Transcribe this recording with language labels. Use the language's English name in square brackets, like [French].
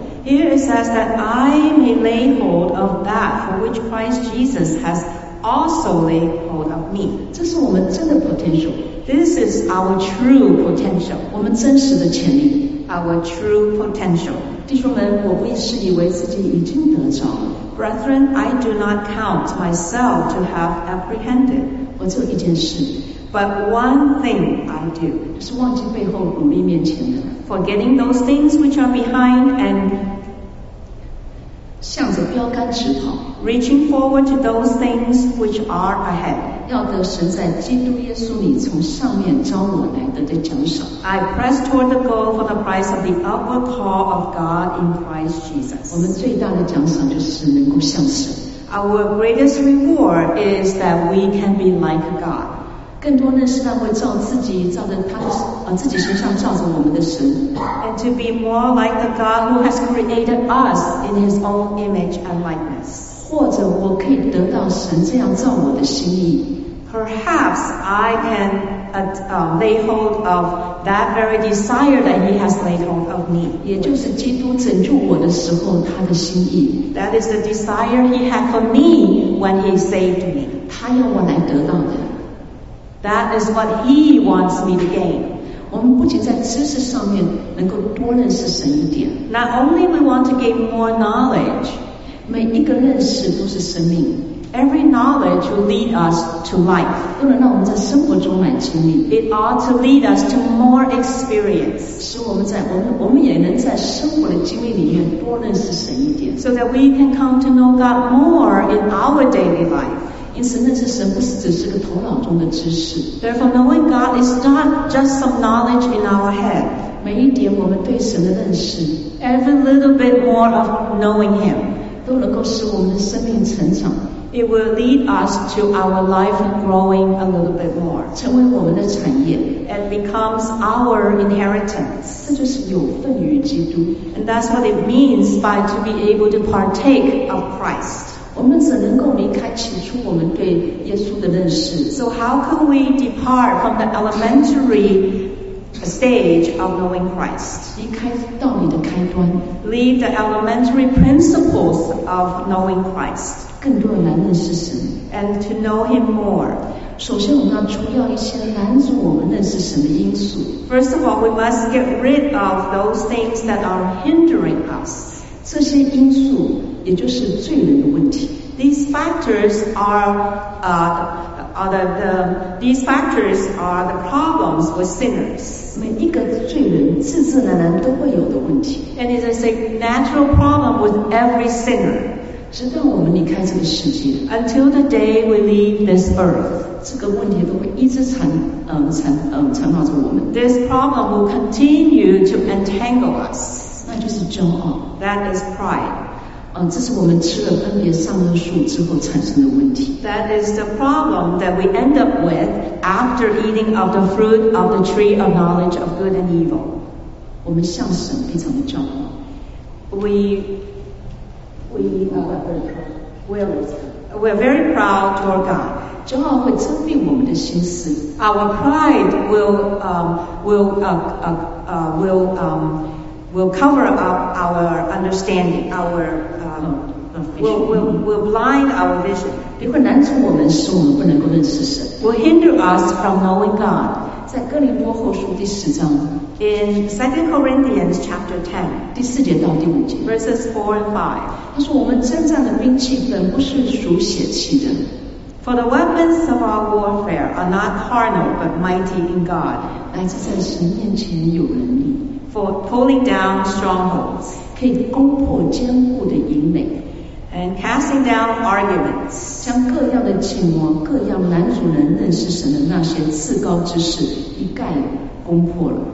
[English] Here it says that I may lay hold of that for which Christ Jesus has also lay hold of me. [Chinese] 这是我们真的 potential. [English] This is our true potential. [Chinese] 我们真实的潜力 [English] Our true potential. [Chinese] 弟兄们，我不自以为自己已经得着了。 [English] Brethren, I do not count myself to have apprehended. [Chinese] 我只有一件事。 [English] But one thing I do. [Chinese] 就是忘记背后努力面前的。 [English] Forgetting those things which are behind and [Chinese] 向着标杆直跑。 [English] Reaching forward to those things which are ahead. [Chinese] 要得神在基督耶稣里从上面召我来得的奖赏。 [English] I press toward the goal for the prize of the upward call of God in Christ Jesus. [Chinese] 我们最大的奖赏就是能够像神。 [English] Our greatest reward is that we can be like God. [Chinese] 更多认识那位照自己照着他的自己身上照着我们的神。 [English] And to be more like the God who has created us in his own image and likeness. [Chinese] 或者我可以得到神这样照我的心意 [English] Perhaps I can lay hold of that very desire that he has laid hold of me [Chinese] 也就是基督拯救我的时候他的心意 [English] That is the desire he had for me when he saved me [Chinese] 他要我来得到的 [English] That is what he wants me to gain [Chinese] 我们不仅在知识上面能够多认识神一点 [English] Not only we want to gain more knowledge [Chinese] 每一个认识都是生命 [English] Every knowledge will lead us to life [Chinese] 都能让我们在生活中来经历 [English] It ought to lead us to more experience [Chinese] 使我们在我们也能在生活的经历里面多认识神一点 [English] So that we can come to know God more in our daily life [Chinese] 因此认识神不是只是个头脑中的知识 [English] Therefore knowing God is not just some knowledge in our head [Chinese] 每一点我们对神的认识 [English] Every little bit more of knowing Him [Chinese] 都能够使我们的生命成长 [English] It will lead us to our life growing a little bit more [Chinese] 成为我们的产业 [English] And becomes our inheritance [Chinese] 这就是有份于基督 [English] And that's what it means by to be able to partake of Christ [Chinese] 我们怎能够离开起初我们对耶稣的认识 [English] So how can we depart from the elementary stage of knowing Christ [Chinese] 离开道理的开端 [English] leave the elementary principles of knowing Christ [Chinese] 更多人来认识神 [English] and to know him more [Chinese] 首先我们要除掉一些拦阻我们认识神的因素 [English] first of all we must get rid of those things that are hindering us [Chinese] 这些因素也就是罪人的问题 [English] these factors are the problems with sinners. [Chinese] 每一个罪人自然而然都会有的问题。 [English] And it is a natural problem with every sinner. [Chinese] 直到我们离开这个世界。 [English] Until the day we leave this earth. [Chinese] 这个问题都会一直缠绕着我们。 [English] This problem will continue to entangle us. [Chinese] 那就是骄傲。 [English] That is pride. [Chinese] 这是我们吃了分别善恶树之后产生的问题。 [English] That is the problem that we end up with after eating of the fruit of the tree of knowledge of good and evil. [Chinese] 我们向神非常的骄傲。 [English] We're very proud toward God. [Chinese] 骄傲会遮蔽我们的心思。 [English] Our pride will cover up our understanding, will blind our vision. [Chinese] 也会拦阻我们，使我们不能够认识神。 [English] Will hinder us from knowing God. [Chinese] 在哥林多后书第四章 [English] In 2 Corinthians chapter 10 [Chinese] 第四节到第五节 [English] Verses 4 and 5 [Chinese] 他说我们征战的兵器本不是属血气的 [English] For the weapons of our warfare are not carnal but mighty in God [Chinese] 乃是在神面前有能力 [English] For pulling down strongholds [Chinese] 可以攻破坚固的营垒 [English] And casting down arguments [Chinese] 将各样的计谋各样拦阻人认识神的那些至高之事一概攻破了